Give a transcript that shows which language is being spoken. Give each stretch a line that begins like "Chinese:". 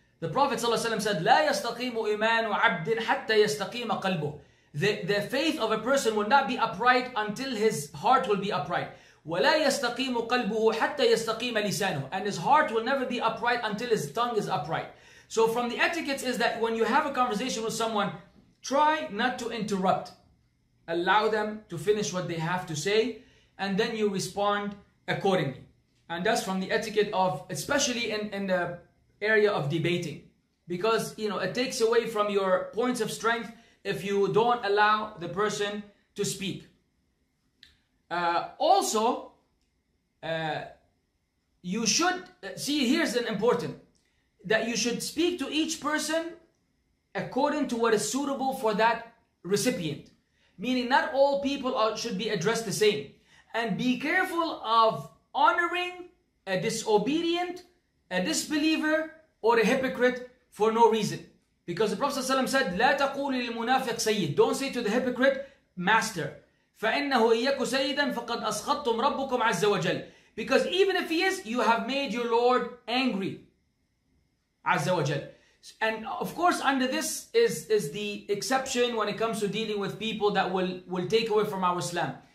English: The Prophet ﷺ said,
Arabic: لا يستقيم إيمان عبد حتى يستقيم قلبه.
English: The faith of a person will not be upright until his heart will be upright.
Arabic: وَلَا يَسْتَقِيمُ قَلْبُهُ حَتَّى يَسْتَقِيمَ لِسَانُهُ.
English: And his heart will never be upright until his tongue is upright. So from the etiquettes is that when you have a conversation with someone, try not to interrupt. Allow them to finish what they have to say, and then you respond accordingly. And that's from the etiquette of, especially in the area of debating. Because, you know, it takes away from your points of strength if you don't allow the person to speak. Also, you should, see, here's an important, that you should speak to each person according to what is suitable for that recipient. Meaning not all people should be addressed the same. And be careful of honoring a disobedient, a disbeliever, or a hypocrite for no reason. Because the Prophet ﷺ said,
Arabic: لا تقول للمنافق سيد.
English: Don't say to the hypocrite, master.
Arabic: فَإِنَّهُ إِيَّكُ سَيِّدًا فَقَدْ أَسْخَطْتُمْ رَبُّكُمْ عَزَّ وَجَلْ.
English: Because even if he is, you have made your Lord angry.
Arabic: عَزَّ وَجَلْ.
English: And of course, under this is the exception when it comes to dealing with people that will take away from our Islam.